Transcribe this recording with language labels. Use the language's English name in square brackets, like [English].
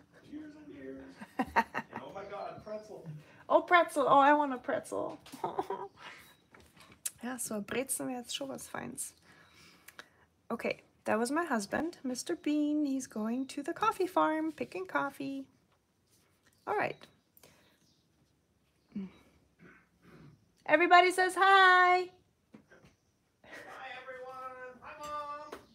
[English] Cheers and beer. Oh my God, pretzel. Oh, pretzel. Oh, I want a pretzel. Yeah, so a [German] brezel wäre jetzt schon was Feins. [English] Okay, that was my husband, Mr. Bean. He's going to the coffee farm, picking coffee. All right. Everybody says hi. Hi, everyone. Hi, Mom.